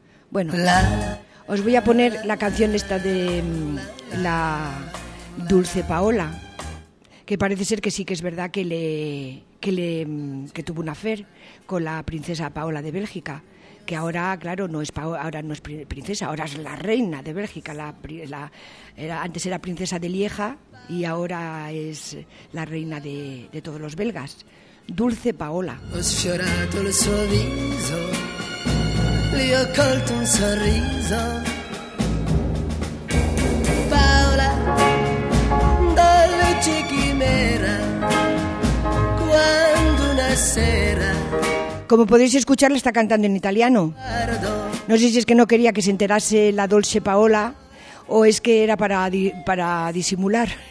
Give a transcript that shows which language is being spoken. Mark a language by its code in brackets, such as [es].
[es] Bueno, os voy a poner la canción esta de la Dulce Paola, que parece ser que sí que es verdad que tuvo un affair con la princesa Paola de Bélgica, que ahora, claro, no es princesa, ahora es la reina de Bélgica. Antes era princesa de Lieja y ahora es la reina de todos los belgas. Dulce Paola. [it] Ho sfiorato il suo viso, gli ho colto un sorriso. Paola, dolce chimera, quando una sera. [es] Como podéis escuchar, la está cantando en italiano. No sé si es que no quería que se enterase la Dolce Paola o es que era para disimular.